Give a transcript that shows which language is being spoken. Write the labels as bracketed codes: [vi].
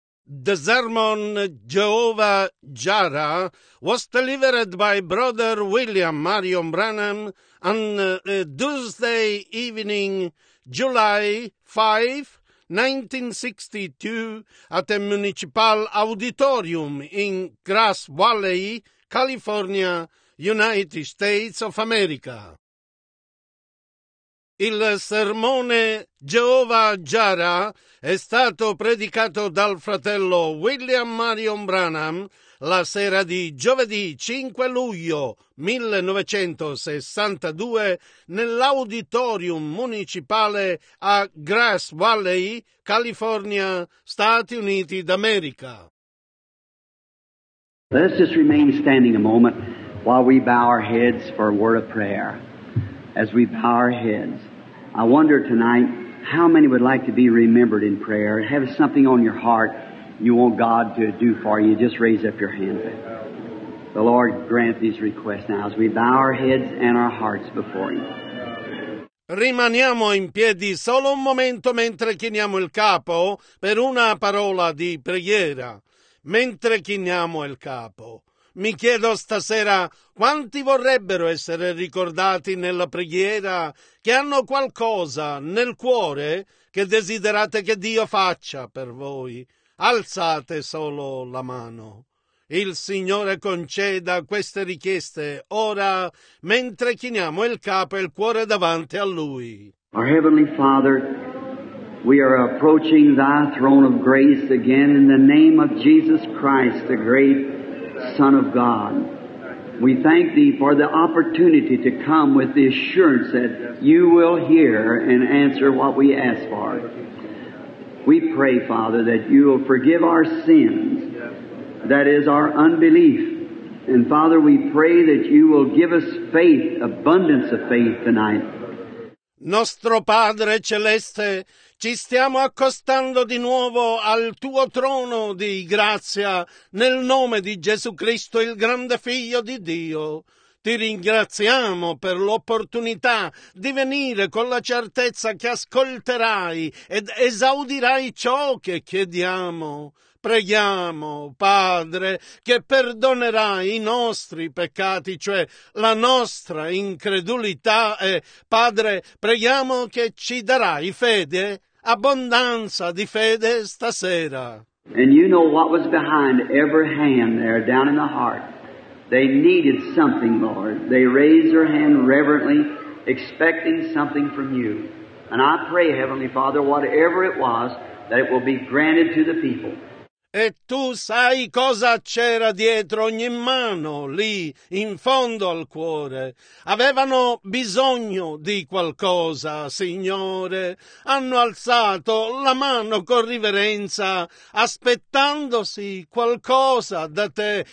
[en] The sermon Jehovah Jireh was delivered by Brother William Marion Branham on Tuesday evening, July 5, 1962, at the Municipal Auditorium in Grass Valley, California, United States of America. [it] Il sermone Jehovah Jireh è stato predicato dal fratello William Marion Branham la sera di giovedì 5 luglio 1962 nell'Auditorium Municipale a Grass Valley, California, Stati Uniti d'America. [en] Let's just remain standing a moment while we bow our heads for a word of prayer. As we bow our heads, I wonder tonight how many would like to be remembered in prayer. Have something on your heart you want God to do for you. Just raise up your hand. The Lord grant these requests now as we bow our heads and our hearts before Him. [it] Rimaniamo in piedi solo un momento mentre chiniamo il capo per una parola di preghiera. Mentre chiniamo il capo. Mi chiedo stasera quanti vorrebbero essere ricordati nella preghiera, che hanno qualcosa nel cuore che desiderate che Dio faccia per voi. Alzate solo la mano. Il Signore conceda queste richieste ora mentre chiniamo il capo e il cuore davanti a Lui. [en] Our Heavenly Father, we are approaching Thy throne of grace again in the name of Jesus Christ, the great Son of God. We thank Thee for the opportunity to come with the assurance that You will hear and answer what we ask for. We pray, Father, that You will forgive our sins, that is our unbelief. And Father, we pray that You will give us faith, abundance of faith tonight. [it] Nostro Padre Celeste, ci stiamo accostando di nuovo al Tuo trono di grazia nel nome di Gesù Cristo, il grande Figlio di Dio. Ti ringraziamo per l'opportunità di venire con la certezza che ascolterai ed esaudirai ciò che chiediamo. Preghiamo, Padre, che perdonerai i nostri peccati, cioè la nostra incredulità, e, Padre, preghiamo che ci darai fede, abbondanza di fede stasera. [en] And you know what was behind every hand there down in the heart. They needed something, Lord. They raised their hand reverently, expecting something from You. And I pray, Heavenly Father, whatever it was, that it will be granted to the people. [it] E tu sai cosa c'era dietro ogni mano lì in fondo al cuore. Avevano bisogno di qualcosa, Signore. Hanno alzato la mano con riverenza, aspettandosi qualcosa da Te.